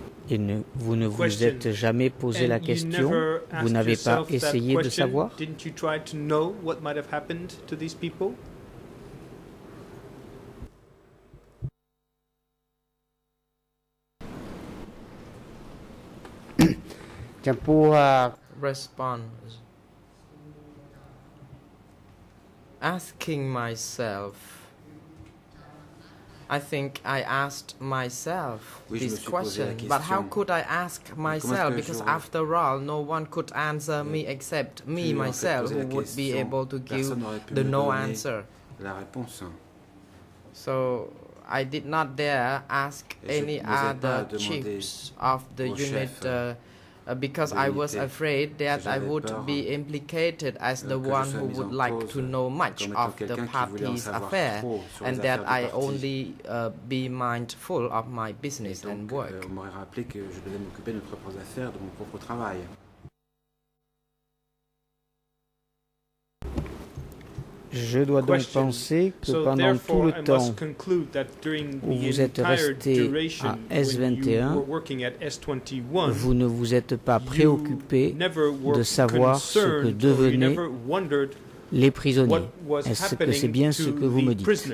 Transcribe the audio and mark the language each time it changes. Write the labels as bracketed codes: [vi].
[fr] Et ne, vous ne vous êtes jamais posé la question? Vous n'avez pas essayé de savoir? [en] Didn't you try to know what might have happened to these people? Response. Asking myself. I think I asked myself this question, but how could I ask myself? Because after all, no one could answer me except me, myself, who would be able to give the no answer. So I did not dare ask any other chiefs of the unit because I was afraid that I would be implicated as the one who would like to know much of the party's affair and that I only be mindful of my business [fr] donc, [en] and work. [fr] On m'aurait rappelé que je devais m'occuper de mes propres affaires, de mon propre travail. Je dois donc penser que pendant tout le temps où vous êtes resté à S21, vous ne vous êtes pas préoccupé de savoir ce que devenaient les prisonniers. Est-ce que c'est bien ce que vous me dites?